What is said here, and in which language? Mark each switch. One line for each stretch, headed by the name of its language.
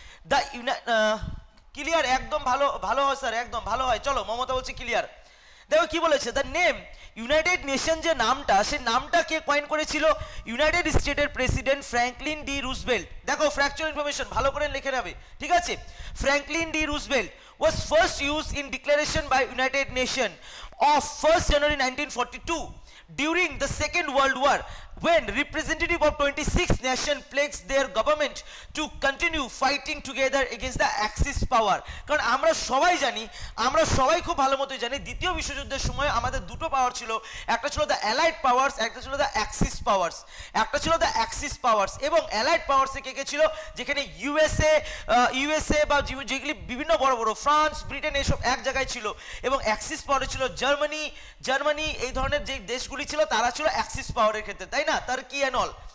Bangla: The clear? একদম ভালো ভালো হয় স্যার, একদম ভালো হয়। চলো মমতা বলছে ক্লিয়ার। দেখো কি বলেছে, দ্য নেম ইউনাইটেড নেশন যে নামটা, সে নামটা কে কয়েন করেছিল? ইউনাইটেড স্টেটের প্রেসিডেন্ট ফ্র্যাঙ্কলিন ডি রুজভেল্ট। দেখো ফ্র্যাকচুয়াল ইনফরমেশন ভালো করে লিখে নেবে, ঠিক আছে?
English: Franklin D Roosevelt was first used in declaration by United Nation of 1st January 1942 during the Second World War when representative of 26 nation pledged their government to continue fighting together against the Axis power.
Bangla: কারণ আমরা সবাই জানি, আমরা সবাই খুব ভালো মতোই জানি, দ্বিতীয় বিশ্বযুদ্ধের সময় আমাদের দুটো পাওয়ার ছিল, একটা ছিল দ্য অ্যালাইড পাওয়ার্স, একটা ছিল দ্য অ্যাক্সিস পাওয়ার্স, একটা ছিল দ্য অ্যাক্সিস পাওয়ার্স। এবং অ্যালাইড পাওয়ার্সে কে কে ছিল? যেখানে ইউএসএ, ইউএসএ বা যেগুলি বিভিন্ন বড় বড় ফ্রান্স, ব্রিটেন, এসব এক জায়গায় ছিল, এবং অ্যাক্সিস পাওয়ারে ছিল জার্মানি, জার্মানি, এই ধরনের যে দেশগুলি ছিল তারা ছিল অ্যাক্সিস পাওয়ারের ক্ষেত্রে, তাই না? Turkey and all.